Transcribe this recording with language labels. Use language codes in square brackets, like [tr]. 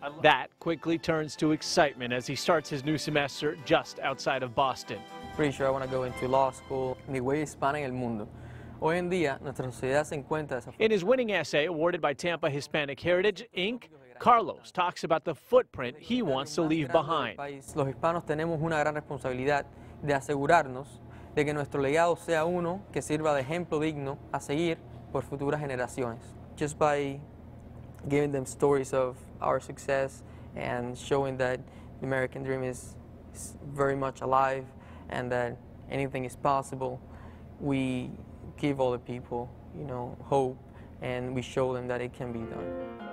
[en] That quickly turns to excitement as he starts his new semester just outside of Boston. Pretty sure I want to go into law school. [es] Mi way Hispanic el mundo. [en] In his winning essay, awarded by Tampa Hispanic Heritage, Inc., Carlos talks about the footprint he wants to leave behind. [es] Los hispanos tenemos una gran responsabilidad de asegurarnos de que nuestro legado sea uno que sirva de ejemplo digno a seguir por futuras generaciones. [en] Just by giving them stories of our success and showing that the American dream is very much alive and that anything is possible, we give all the people, you know, hope, and we show them that it can be done.